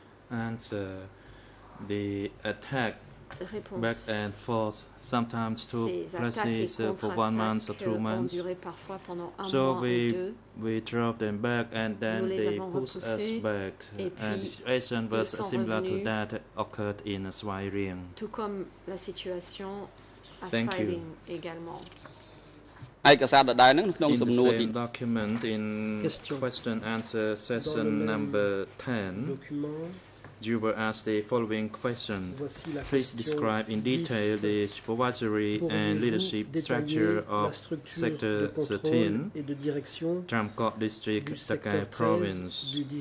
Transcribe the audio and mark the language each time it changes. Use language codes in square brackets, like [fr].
[en] Answer: the attack [fr] réponse. [en] Back and forth, sometimes too precise for 1 month or 2 months. So we drove them back and then they pushed us back. And the situation was similar to that occurred in Svay Rieng. [fr] Tout comme la situation à Svay Rieng également. [en] In the same document, in question-answer session number 10, you were asked the following question. Please describe in detail the supervisory and leadership structure of Sector 13, Tramcot District, Takao Province.